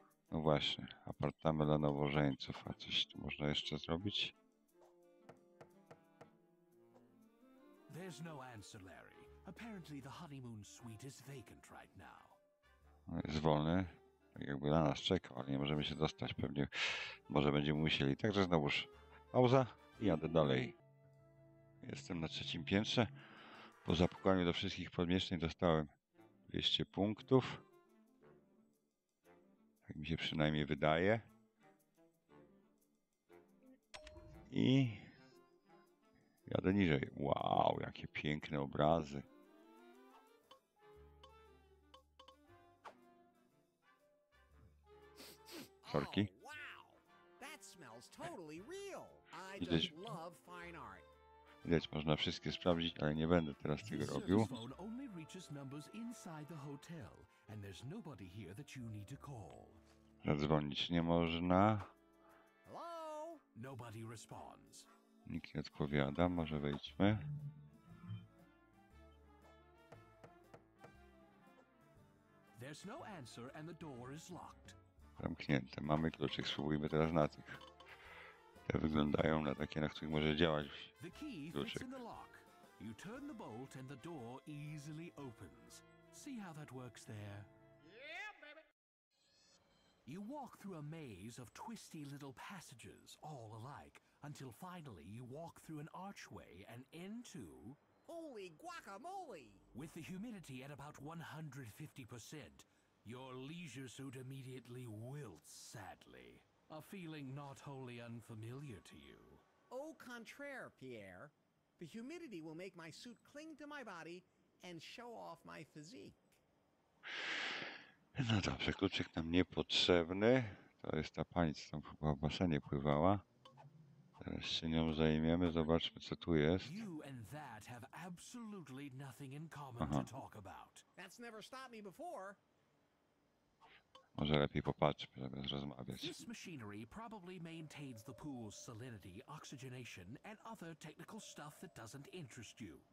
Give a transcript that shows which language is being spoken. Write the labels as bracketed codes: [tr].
[pl] No właśnie, apartament dla nowożeńców. A coś tu można jeszcze zrobić? [en] There's no answer, Larry. Apparently the honeymoon suite is vacant right now. [pl] Jest wolny. Jakby na nas czekał, ale nie możemy się dostać, pewnie może będziemy musieli. Także znowuż pauza i jadę dalej. Jestem na trzecim piętrze. Po zapukaniu do wszystkich pomieszczeń dostałem 200 punktów. Tak mi się przynajmniej wydaje. I Jadę niżej. Wow, jakie piękne obrazy. Sorki. [en] Wow, that smells totally real. I just love fine art. [pl] Widać, można wszystkie sprawdzić, ale nie będę teraz tego robił. [en] Phone only reaches numbers inside the hotel, and there's nobody here that you need to call. [pl] Zadzwonić nie można. [en] Hello? Nobody responds. [pl] Nikt nie odpowiada, może wejdźmy. [en] There's no answer and the door is locked. [pl] Zamknięte, mamy kluczyk, spróbujmy teraz na tych. Te wyglądają na takie, na których może działać kluczyk. [en] You turn the bolt and the door easily opens. See how that works there? You walk through a maze of twisty little passages, all alike, until finally you walk through an archway and into... Holy guacamole! With the humidity at about 150%, your leisure suit immediately wilts sadly, a feeling not wholly unfamiliar to you. [fr] Au contraire, [en] Pierre. The humidity will make my suit cling to my body and show off my physique. [pl] No dobrze, kluczyk nam niepotrzebny. To jest ta pani, co tam chyba w basenie pływała. Teraz się nią zajmiemy, zobaczmy, co tu jest. [en] You and that have absolutely nothing in common to talk about. That's never stopped me before. [pl] Może lepiej popatrzmy, żeby rozmawiać. [en] This machinery probably maintains the pool's salinity, oxygenation and other technical stuff that doesn't interest you.